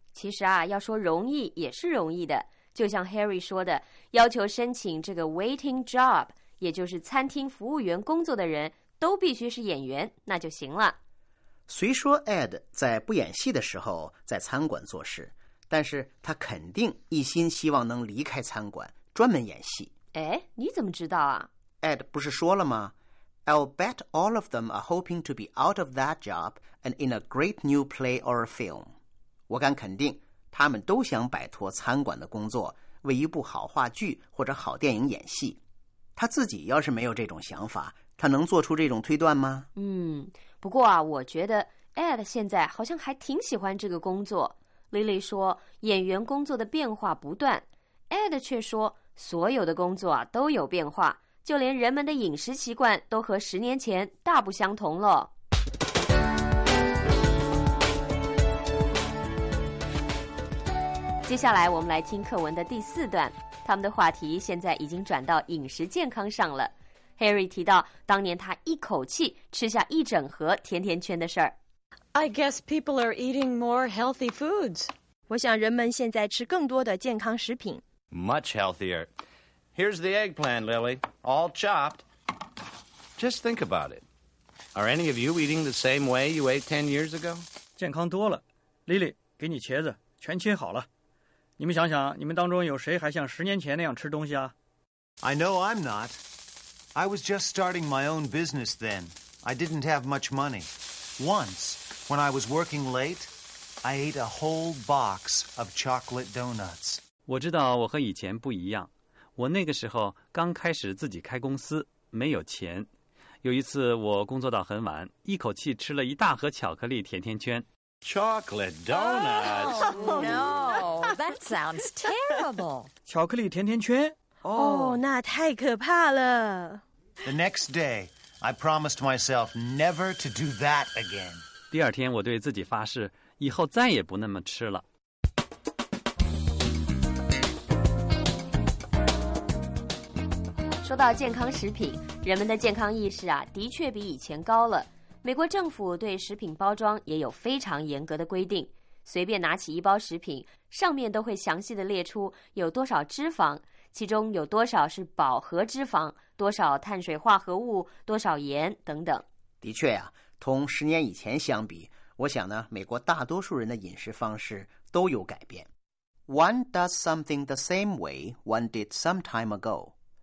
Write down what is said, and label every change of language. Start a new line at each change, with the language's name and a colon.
Chinese: 其实啊，要说容易也是容易的，就像 Harry 说的，要求申请这个 waiting job， 也就是餐厅服务员工作的人都必须是演员，那就行了。虽说 Ed 在不演戏的时候在餐馆做事，但是他肯定一心希望能离开餐馆专门演戏。哎，你怎么知道啊？ Ed 不是说了吗？
English: I'll bet all of them are hoping to be out of that job and in a great new play or a film.
Chinese: 我敢肯定他们都想摆脱餐馆的工作，为一部好话剧或者好电影演戏。他自己要是没有这种想法，他能做出这种推断吗？嗯，不过啊，我觉得 Ed 现在好像还挺喜欢这个工作。 Lily 说演员工作的变化不断， Ed 却说所有的工作啊都有变化，就连人们的饮食习惯都和十年前大不相同了。接下来我们来听课文的第四段，他们的话题现在已经转到饮食健康上了。 Harry 提到当年他一口气吃下一整盒甜甜圈的事儿。
English: I guess people are eating more healthy foods.
Chinese: 我想人们现在吃更多的健康食品。
English: Much healthier. Here's the eggplant, Lily, all chopped. Just think about it. Are any of you eating the same way you ate 10 years ago?
Chinese: 健康多了。Lily, 给你茄子，全切好了。你们想想，你们当中有谁还像十年前那样吃东西啊？
English: I know I'm not. I was just starting my own business then. I didn't have much money. Once, when I was working late, I ate a whole box of chocolate donuts.
Chinese: 我知道我和以前不一样。我那个时候刚开始自己开公司，没有钱。有一次我工作到很晚，一口气吃了一大盒巧克力甜甜圈。
English: Chocolate donuts. Oh, no, that sounds terrible.
Chinese: 巧克力甜甜圈？哦，那太可怕了。
English: The next day, I promised myself never to do that again.
Chinese: 第二天我对自己发誓，以后再也不那么吃了。说到健康食品，人们的健康意识啊，的确比以前高了。美国政府对食品包装也有非常严格的规定，随便拿起一包食品，上面都会详细的列出有多少脂肪，其中有多少是饱和脂肪，多少碳水化合物，多少盐等等。的确啊，同十年以前相比，我想呢，美国大多数人的饮食方式都有改变。
English: One does something the same way one did some time ago.